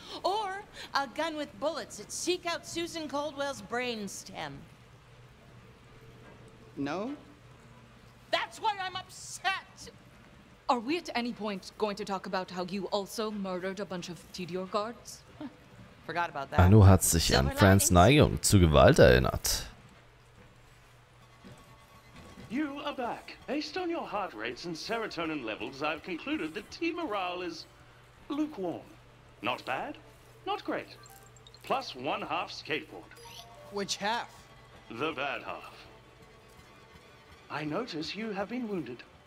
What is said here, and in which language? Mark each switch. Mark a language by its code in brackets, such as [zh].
[en] Or a gun with bullets that seek out Susan Caldwell's brainstem? No? That's why I'm upset! Are we at any point going to talk about how you also murdered a bunch of TDR guards? Forgot about that. [de] Anu hat sich an Frans Neigung zu Gewalt erinnert. [en] You are back. Based on your heart rates and serotonin levels, I've concluded that team morale is lukewarm. Not bad, not great. Plus one half skateboard. Which half? The bad half. I notice you have been wounded.